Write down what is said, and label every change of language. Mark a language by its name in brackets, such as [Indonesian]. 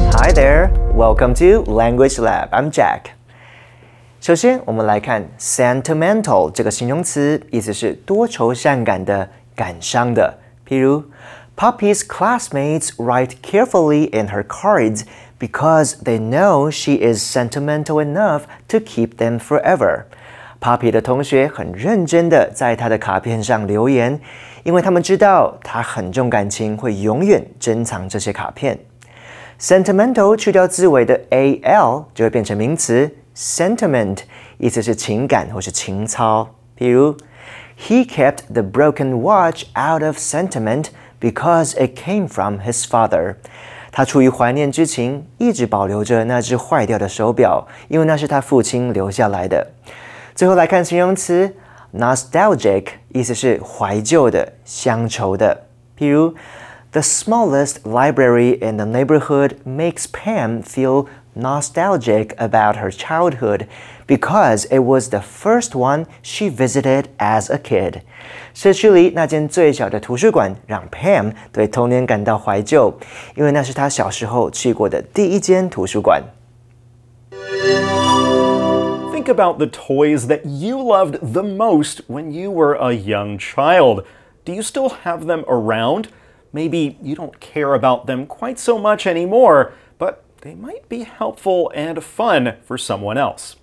[English] Welcome to Language Lab. I'm Jack. [Chinese] 首先，我们来看 sentimental 这个形容词，意思是多愁善感的、感伤的。譬如 [English] ，Poppy's classmates write carefully in her cards because they know she is sentimental enough to keep them forever. [Chinese] Poppy 的同学很认真地在她的卡片上留言，因为他们知道她很重感情，会永远珍藏这些卡片。 Sentimental 去掉字尾的 al 就会变成名词 sentiment， 意思是情感或是情操。譬如 [English] ，He kept the broken watch out of sentiment because it came from his father。 [Chinese] 他出于怀念之情，一直保留着那只坏掉的手表，因为那是他父亲留下来的。最后来看形容词 nostalgic， 意思是怀旧的、乡愁的。譬如。 [English] The smallest library in the neighborhood makes Pam feel nostalgic about her childhood because it was the first one she visited as a kid. [Chinese] 社区里那间最小的图书馆让 Pam 对童年感到怀旧，因为那是她小时候去过的第一间图书馆。 [English] Think about the toys that you loved the most when you were a young child. Do you still have them around? Maybe you don't care about them quite so much anymore, but they might be helpful and fun for someone else.